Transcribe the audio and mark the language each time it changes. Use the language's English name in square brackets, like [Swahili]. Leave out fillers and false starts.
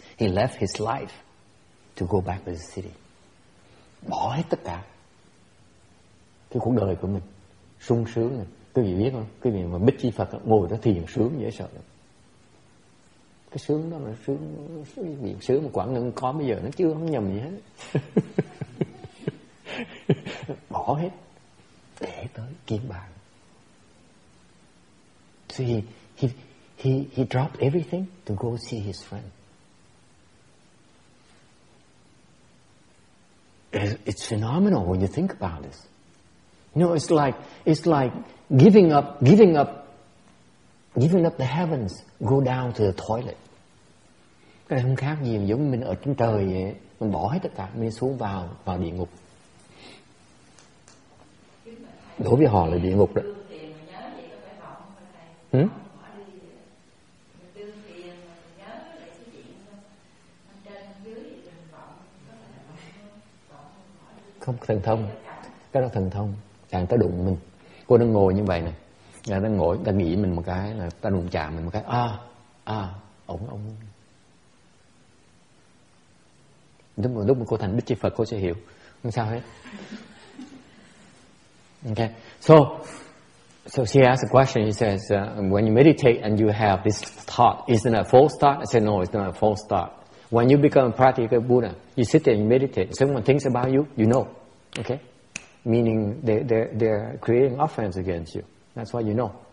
[English] He left his life to go back to the city. [Vietnamese] Bỏ hết tất cả. Cái cuộc đời của mình sung sướng này, quý vị biết không? Quý vị mà bích chi Phật ngồi đó thiền sướng dễ sợ lắm. Cái sướng đó là sướng, cái vị sướng mà Quảng Ngân có bây giờ nó chưa không nhầm gì hết. Bỏ hết để tới kiếm bạn. [English] So he dropped everything to go see his friend. It's phenomenal when you think about this. No, it's like giving up the heavens, go down to the toilet. [Vietnamese] Cái này không khác gì giống mình ở trên trời vậy, mình bỏ hết tất cả, mình xuống vào địa ngục. Đối với họ là địa ngục đó. Không, thần thông, cái đó thần thông. Chàng ta đụng mình, cô đang ngồi như vậy nè, chàng ta ngồi, ta nghĩ mình một cái, là ta đụng chạm mình một cái, ổng. Lúc mà cô thành Đức Chí Phật, cô sẽ hiểu, không sao hết. [English] Okay, so she asked a question, she says, when you meditate and you have this thought, isn't it a false thought? I said, no, it's not a false thought. When you become a practical Buddha, you sit there and you meditate, someone thinks about you know, okay? Meaning they're creating offense against you. That's why you know.